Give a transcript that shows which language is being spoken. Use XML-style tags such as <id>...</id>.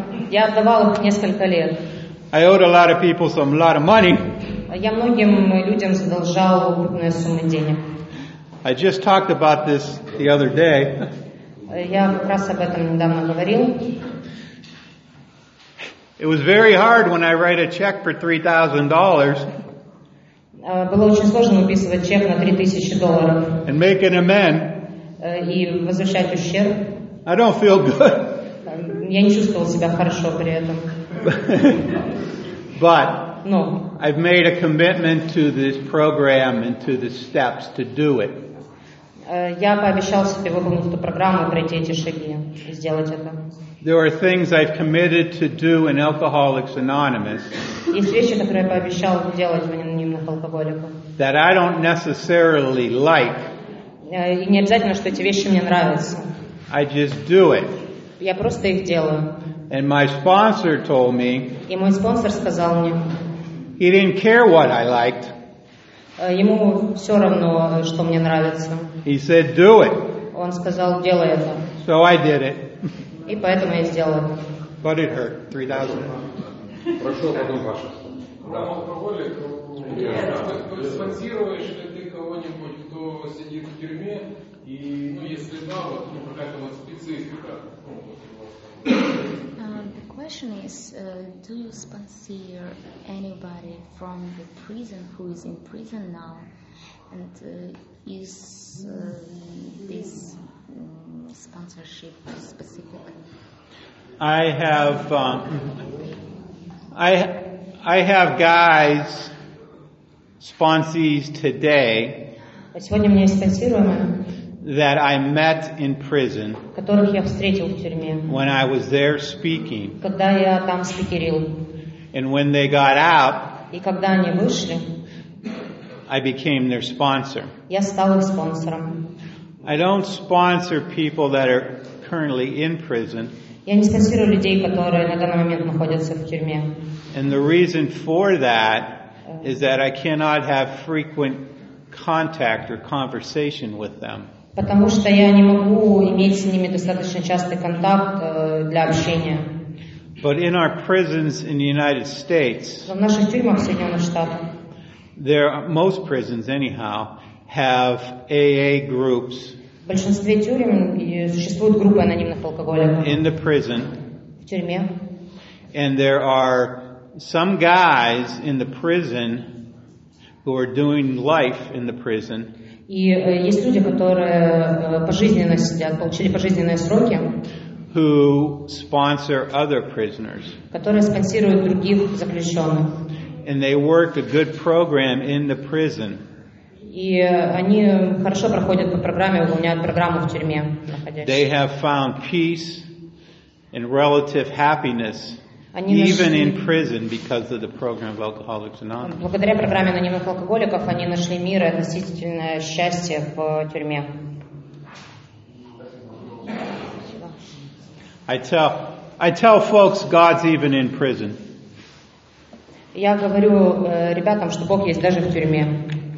<ru>Я отдавал их несколько лет.</ru> <en>I owed a lot of people some lot of money.</en> <ru>Я многим людям задолжал крупные суммы денег.</ru> <en>I just talked about this the other day.</en> <ru>Я как раз об этом недавно говорил.</ru> <en>It was very hard when I write a check for $3,000.</en> <ru>Было очень сложно выписывать чек на $3,000.</ru> <en>And make an amend.</en> <ru>И возвращать ущерб.</ru> <en>I don't feel good.</en> <ru>Я не чувствовал себя хорошо при этом.</ru> <en>But no. I've made a commitment to this program and to the steps to do it.</en> <ru>Я пообещал себе выполнить эту программу, пройти эти шаги и сделать это.</ru> <en>There are things I've committed to do in Alcoholics Anonymous.</en> <ru>Есть вещи, которые я пообещал делать в анонимных алкоголиках.</ru> <en>That I don't necessarily like.</en> <ru>И не обязательно, что эти вещи мне нравятся.</ru> <en>I just do it.</en> <ru>Я просто их делаю.</ru> <en>And my sponsor told me.</en> <ru>И мой спонсор сказал мне.</ru> <en>He didn't care what I liked.</en> <ru>Ему все равно, что мне нравится.</ru> <en>He said, "Do it."</en> <ru>Он сказал, делай это.</ru> <en>So I did it.</en> <ru>И поэтому я сделал.</ru> <en>But it hurt 3,000.</en> <ru>Прошу, потом ваше. Да, алкоголик. Ты спонсируешь ли ты кого-нибудь, кто сидит в тюрьме? И, ну, если да, вот какая-то вот специфика.</ru> <en>The question is, do you sponsor anybody from the prison who is in prison now? And is this sponsorship specific? I have guys, sponsees today.</en> <ru>Сегодня у меня есть спонсируемые.</ru> <en>That I met in prison.</en> <ru>Которых я встретил в тюрьме.</ru> <en>When I was there speaking.</en> <ru>Когда я там спикерил.</ru> <en>And when they got out.</en> <ru>И когда они вышли.</ru> <en>I became their sponsor.</en> <ru>Я стал их спонсором.</ru> <en>I don't sponsor people that are currently in prison.</en> <ru>Я не спонсирую людей, которые на данный момент находятся в тюрьме.</ru> <en>And the reason for that is that I cannot have frequent contact or conversation with them.</en> <ru>Потому что я не могу иметь с ними достаточно частый контакт для общения.</ru> <en>But in our prisons in the United States,</en> <ru>в наших тюрьмах Соединенных Штатов,</ru> <en>there most prisons anyhow have AA groups.</en> <ru>В большинстве тюрем существуют группы анонимных алкоголиков.</ru> <en>In the prison,</en> <ru>в тюрьме,</ru> <en>and there are some guys in the prison who are doing life in the prison.</en> <ru>И есть люди, которые пожизненно сидят, получили пожизненные сроки,</ru> <en>who sponsor other prisoners.</en> <ru>Которые спонсируют других заключенных.</ru> <en>And they work a good program in the prison.</en> <ru>И они хорошо проходят по программе, выполняют программу в тюрьме, находясь.</ru> <en>They have found peace and relative happiness.</en> <ru>Они</ru> <en>even</en> <ru>нашли,</ru> <en>in prison because of the program of Alcoholics Anonymous.</en> <ru>Благодаря программе анонимных алкоголиков они нашли мир и относительное счастье в тюрьме.</ru> <en>I tell folks God's even in prison.</en> <ru>Я говорю ребятам, что Бог есть даже в тюрьме.</ru>